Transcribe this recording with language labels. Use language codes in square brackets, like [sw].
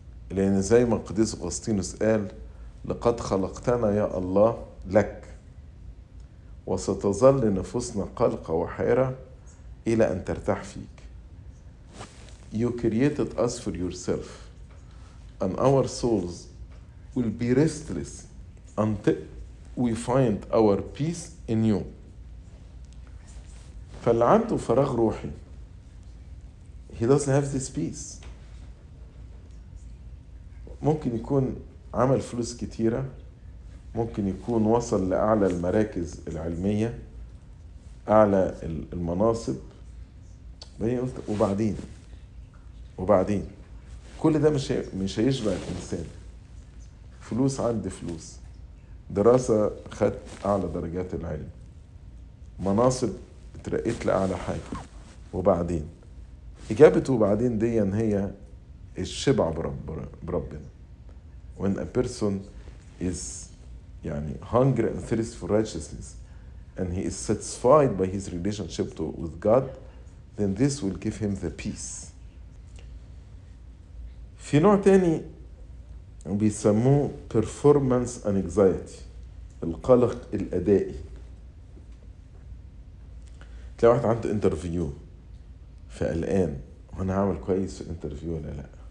[ar] لان زي ما القديس اغسطينوس قال، لقد خلقتنا يا الله لك، وستظل نفوسنا قلقه وحيره الى ان ترتاح فيك. [en] You created us for yourself and our souls will be restless until we find our peace in you. [ar] فاللي عنده فراغ روحي [en] he doesn't have this peace. [ar] ممكن يكون عمل فلوس كتيرة، ممكن يكون وصل لأعلى المراكز العلمية، أعلى المناصب. بقى قلت وبعدين، وبعدين كل ده مش هيشبع الإنسان. فلوس عندي فلوس، دراسة خدت أعلى درجات العلم، مناصب اترقيت لأعلى حاجة، وبعدين إجابته وبعدين دي هي الشبع بربنا. [en] When a person is [ar] يعني [en] hungry and thirst for righteousness and he is satisfied by his relationship to, with God, then this will give him the peace. [ar] في نوع تاني بيسموه performance anxiety، القلق الأدائي. تلاقي واحد عنده interview فقلقان، وانا هعمل كويس في interview ولا لا.